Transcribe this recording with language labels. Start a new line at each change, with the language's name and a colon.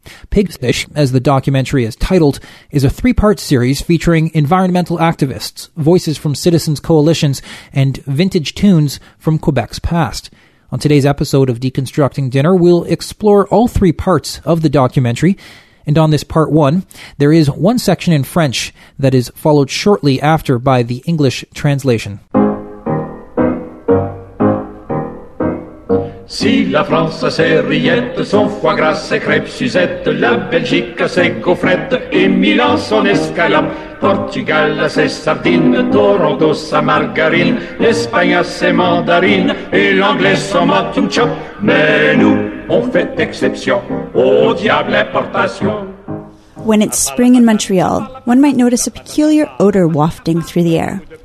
English: Pigfish, as the documentary is titled, is a three-part series featuring environmental activists, voices from citizens' coalitions, and vintage tunes from Quebec's past. On today's episode of Deconstructing Dinner, we'll explore all three parts of the documentary, and on this part one, there is one section in French that is followed shortly after by the English translation.
French: Si la France a ses rillettes, son foie gras, ses crêpes, Suzette, la Belgique a ses gaufrettes, et Milan son escalope, Portugal a ses sardines, Toronto sa margarine, l'Espagne a ses mandarines, et l'anglais son mutton chop. Mais nous, on fait exception, au diable importation.
English: When it's spring in Montreal, one might notice a peculiar odor wafting through the air.